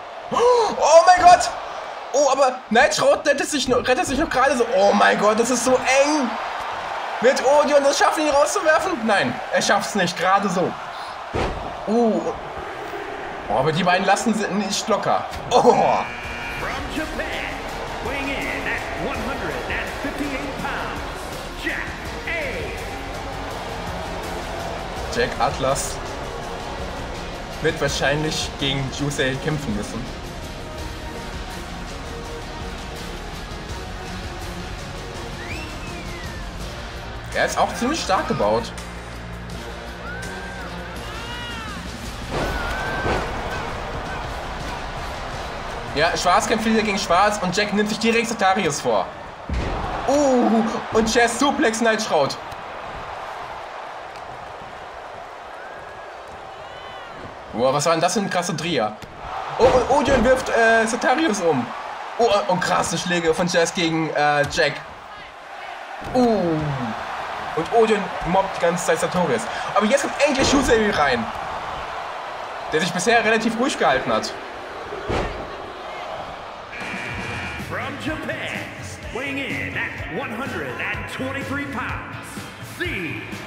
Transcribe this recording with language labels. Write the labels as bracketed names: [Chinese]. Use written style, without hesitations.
[German] Oh mein Gott! Aber Nightshroud rettet sich noch gerade so. Oh mein Gott, das ist so eng! Wird Odion das schaffen, ihn rauszuwerfen? Nein, er schafft es nicht, gerade so. Aber die beiden lassen sie nicht locker. [English] From Japan, weighing in at 158 pounds, Jack A. [German] Jack Atlas wird wahrscheinlich gegen Yusei kämpfen müssen. Er ist auch ziemlich stark gebaut. Ja, Schwarz kämpft wieder gegen Schwarz und Jack nimmt sich direkt Satarius vor. Und Chaz Suplex Nightshroud. Was war denn das für ein krasser Dreher? Und Odion wirft Satarius um. Und krasse Schläge von Chaz gegen Jack. Und Odion mobbt die ganze Zeit Sartorius. Aber jetzt kommt endlich Yusei rein. Der sich bisher relativ ruhig gehalten hat. [English] From Japan, weighing in at 123 pounds, C.